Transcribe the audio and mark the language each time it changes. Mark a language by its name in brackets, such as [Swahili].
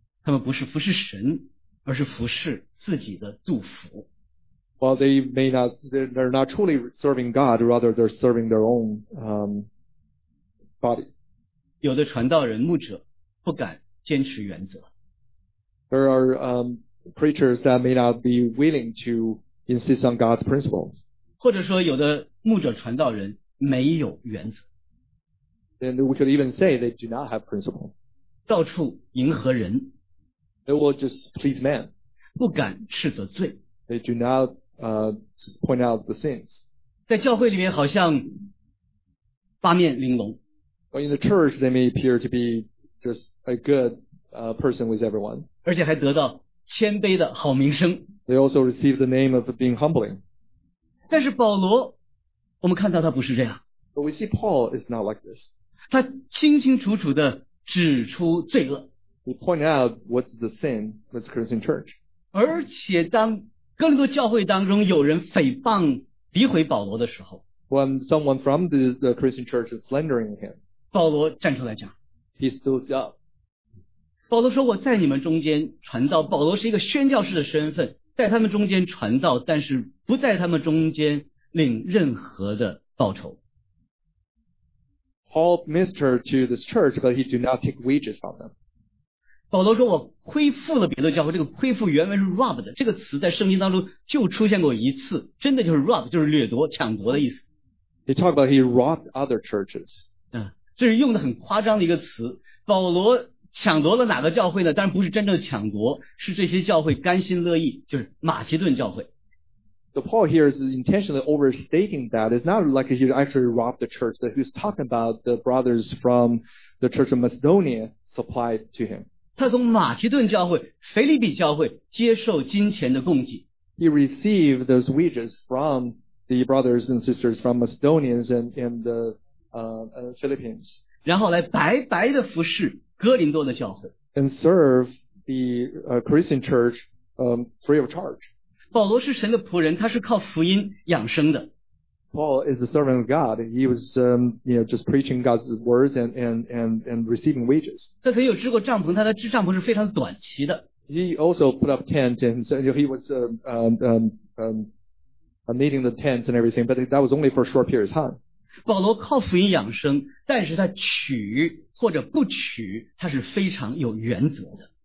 [Chinese] 他们不是服侍神，而是服侍自己的肚腹。 [English] Well, they may not, they're not truly serving God, rather they're serving their own, body. [Chinese] 有的传道人牧者不敢坚持原则。 [English] There are, preachers that may not be willing to insist on God's principles. [Chinese] 或者说有的牧者传道人没有原则。 [English] Then we could even say they do not have principle. [Chinese] 到处迎合人。 [English] They will just please man. [Chinese] 不敢斥责罪。 [English] They do not, point out the sins. [Chinese] 在教会里面好像八面玲珑。 [English] But in the church, they may appear to be just a good, person with everyone. [Chinese] 而且还得到谦卑的好名声。 [English] They also receive the name of being humbling. [Chinese] 但是保罗我们看到他不是这样。 [English] But we see Paul is not like this. [Chinese] 他清清楚楚地指出罪恶。 [English] He pointed out what's the sin with the Corinthian church. [Chinese] 而且当哥林多教会当中有人诽谤诋毁保罗的时候。 [English] When someone from the Christian church is slandering him. [Chinese] 保罗站出来讲。 [English] He stood up. [Chinese] 保罗说我在你们中间传道，保罗是一个宣教士的身份，在他们中间传道，但是不在他们中间领任何的报酬。 [English] Paul ministered to this church, but he did not take wages from them. [Chinese] 保罗说我亏负了彼得教会，这个亏负原文是 rob 的，这个词在圣经当中就出现过一次，真的就是 rob， 就是掠夺抢夺的意思。 [English] He talked about he robbed other churches、 [Chinese] 这是用的很夸张的一个词。保罗抢夺了哪个教会呢？当然不是真正的抢夺，是这些教会甘心乐意，就是马其顿教会。 [English] So Paul here is intentionally overstating that. It's not like he actually robbed the church, but he's talking about the brothers from the church of Macedonia supplied to him. [Chinese] 他从马其顿教会、腓立比教会接受金钱的供给。 [English] He received those wages from the brothers and sisters from Macedonians and the Philippines. [Chinese] 然后来白白的服侍哥林多的教会。 [English] And serve the Christian church free of charge. [Chinese] 保罗是神的仆人，他是靠福音养生的。 [English] Paul is a servant of God. He was, just preaching God's words and receiving wages. [Chinese] 他曾有支过帐篷，他的支帐篷是非常短期的。 [English] He also put up tents and so he was needing the tents and everything, but that was only for a short period of time. [Chinese] 保罗靠福音养生，但是他取或者不取，他是非常有原则的。